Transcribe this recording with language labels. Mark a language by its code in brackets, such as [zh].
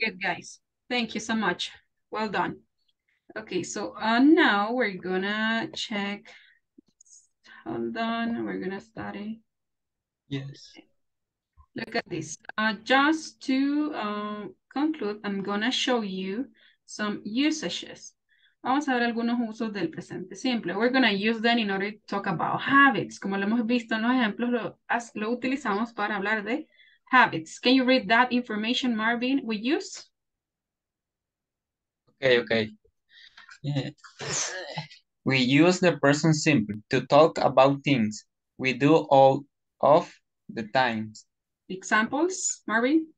[en] Good, guys. Thank you so much. Well done. Okay, so now we're gonna check. Hold on, we're gonna study. Yes. Look at this. Just to conclude, I'm gonna show you some usages. [es] Vamos a ver algunos usos del presente simple. [en] We're gonna use them in order to talk about habits. [es] Como lo hemos visto en los ejemplos, lo utilizamos para hablar de habits. [en] Can you read that information, Marvin, we use? Okay. Yeah. We use the present simple to talk about things we do all of the time. Examples, Marvin?